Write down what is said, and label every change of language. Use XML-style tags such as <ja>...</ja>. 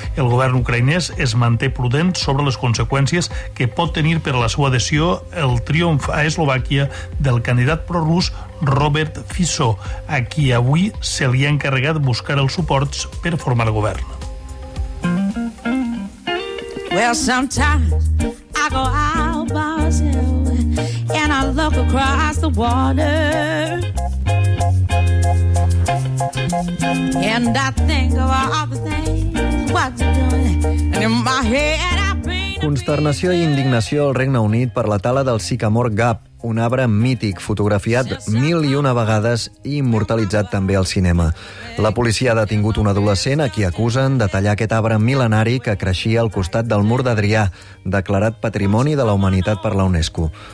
<ca>El govern ucraïnès es manté prudent sobre les conseqüències que pot tenir per a la seva adhesió el triomf a Eslovàquia del candidat prorrus Robert Fico, a qui avui se li ha encarregat buscar els suports per formar el govern.</ca> <en>Well, sometimes I go out buzzing and I look across the water and I think of all the things what you're doing and in my head I've been...</en> <ca>Consternació i indignació al Regne Unit per la tala del Sycamore Gap, un arbre mític fotografiat mil i una vegades i immortalitzat també al cinema. La policia ha detingut un adolescent a qui acusen de tallar aquest arbre mil·lenari que creixia al costat del mur d'Adrià, declarat Patrimoni de la Humanitat per la UNESCO.</ca>